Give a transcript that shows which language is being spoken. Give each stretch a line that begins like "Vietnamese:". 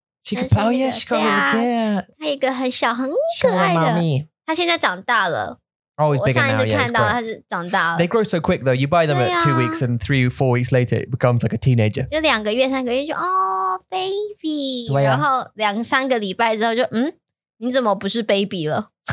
English: She can play, oh yeah, she can play with the cat.
Chinese: 她有一个很小很可爱的。她现在长大了。
English: Oh, he's bigger now, yeah, he's
Chinese: grown. 我上一次看到她长大了。
English: They grow so quick though, you buy them at 2 weeks and 3 or 4 weeks later, it becomes like a teenager.
Chinese: 就两个月三个月就
English: oh, baby.
Chinese: 然后两三个礼拜之后就你怎么不是 baby 了?